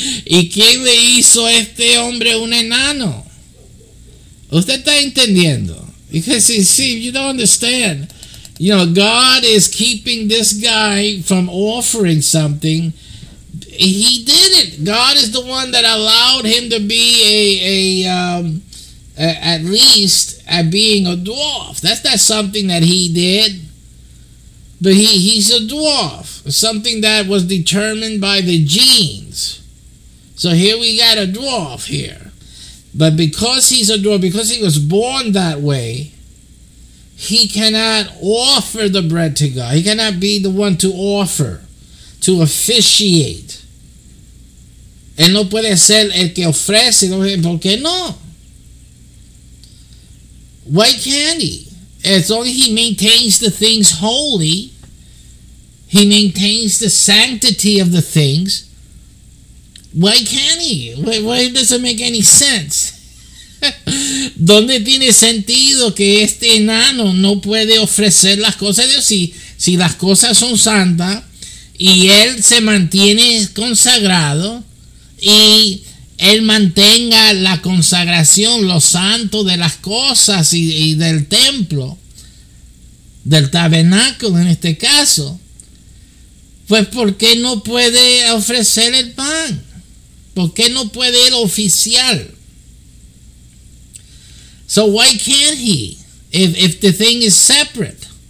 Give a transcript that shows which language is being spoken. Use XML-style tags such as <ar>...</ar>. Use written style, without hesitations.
<es>¿Y quién le hizo este hombre un enano? ¿Usted está entendiendo?</es> <en>Because, see, you don't understand. You know, God is keeping this guy from offering something. He did it. God is the one that allowed him to be at least at being a dwarf. That's not something that he did. But he's a dwarf. Something that was determined by the genes. So here we got a dwarf here. But because he's a dwarf, because he was born that way, he cannot offer the bread to God. He cannot be the one to offer, to officiate.</en> <es>Él no puede ser el que ofrece. ¿Por qué no?</es> <en>Why can't he? As long as he maintains the things holy, he maintains the sanctity of the things, why can't he? Why does it make any sense?</en> <es>¿Dónde tiene sentido que este enano no puede ofrecer las cosas de Dios? Si las cosas son santas y él se mantiene consagrado y él mantenga la consagración, lo santo de las cosas y del templo, del tabernáculo en este caso, pues ¿por qué no puede ofrecer el pan? ¿Por qué no puede él oficiar?</es> <en>So why can't he, if the thing is separate?</en>